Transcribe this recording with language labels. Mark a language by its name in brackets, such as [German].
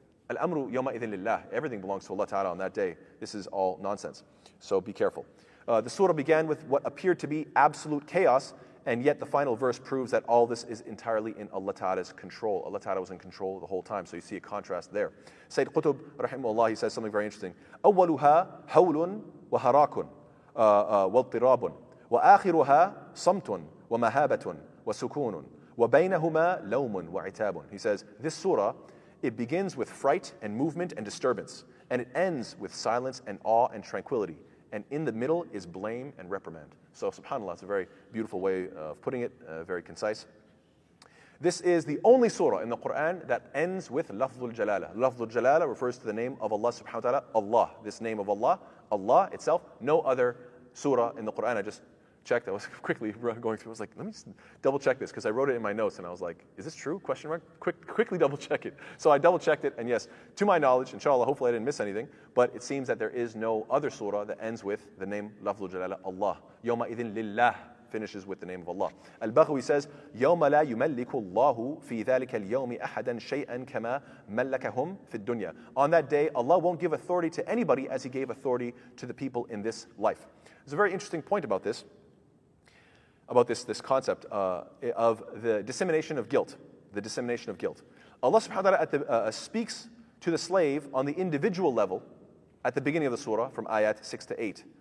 [Arabic] Al-amru yawma idhin lillah. [English] Everything belongs to Allah ta'ala on that day. This is all nonsense. So be careful. The surah began with what appeared to be absolute chaos, and yet the final verse proves that all this is entirely in Allah Ta'ala's control. Allah Ta'ala was in control the whole time, so you see a contrast there. Sayyid Qutb, rahimahullah, he says something very interesting. [Arabic] أولها حول وهراك واضطراب وآخرها صمت ومهابة وسكون وبينهما لوم وعتاب. [English] He says, this surah, it begins with fright and movement and disturbance, and it ends with silence and awe and tranquility, and in the middle is blame and reprimand. So subhanAllah, it's a very beautiful way of putting it, very concise. This is the only surah in the Qur'an that ends with lafzul jalala. Lafzul jalala refers to the name of Allah subhanahu wa ta'ala, Allah. This name of Allah, Allah itself, no other surah in the Qur'an. I just checked, I was quickly going through, I was like, let me just double check this, because I wrote it in my notes, and I was like, is this true? Question mark? Quickly double check it. So I double checked it, and yes, to my knowledge, inshallah, hopefully I didn't miss anything, but it seems that there is no other surah that ends with the name lafzul jalala, Allah. [Arabic] Yawma idhin lillah [English] finishes with the name of Allah. Al-Baghawi says, [Arabic] يَوْمَ لَا يُمَلِّكُ اللَّهُ فِي ذَلِكَ الْيَوْمِ أَحَدًا شَيْئًا كَمَا مَلَّكَهُمْ فِي الدُّنْيَا. [English] On that day, Allah won't give authority to anybody as he gave authority to the people in this life. There's a very interesting point about this concept of the dissemination of guilt. The dissemination of guilt. Allah subhanahu wa ta'ala speaks to the slave on the individual level at the beginning of the surah from ayat 6 to 8.